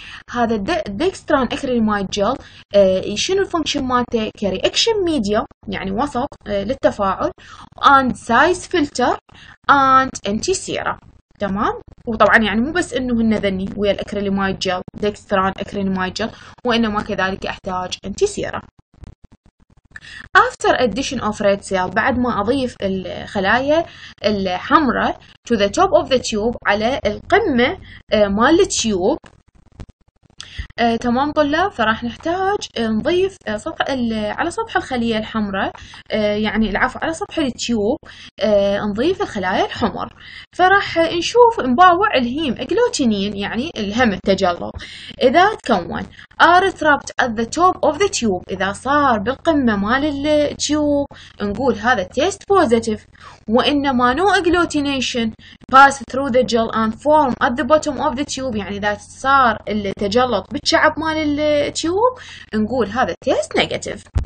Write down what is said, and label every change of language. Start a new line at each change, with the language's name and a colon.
Arabic: هذا الدكستران اكريليمايد جيل شنو الفونكشن مالته؟ كرياكشن ميديا، يعني وسط للتفاعل، اند سايز فلتر، اند انتي سيرا. تمام. وطبعا يعني مو بس انه هن ذني ويا الاكريليمايد جيل دكستران اكريليمايد جيل، وانما كذلك احتاج انتي سيرا.
English: After addition of red cell،
Arabic: بعد ما أضيف الخلايا الحمراء
English: to the top of the tube،
Arabic: على القمة مال التيوب. تمام طلاب، فراح نحتاج نضيف سطح على سطح الخلية الحمراء، يعني العفو على سطح التيوب، نضيف الخلايا الحمر. فراح نشوف نباوع الهيم اجلوتينين، يعني الهم التجلط، اذا تكون
English: are trapped at the top of the tube،
Arabic: اذا صار بالقمة مال التيوب نقول هذا تيست بوزيتيف، وانما
English: no agglutination pass through the gel and form at the bottom of the tube،
Arabic: يعني اذا صار التجلط بالشعب مال التيوب نقول هذا تيست نيجاتيف.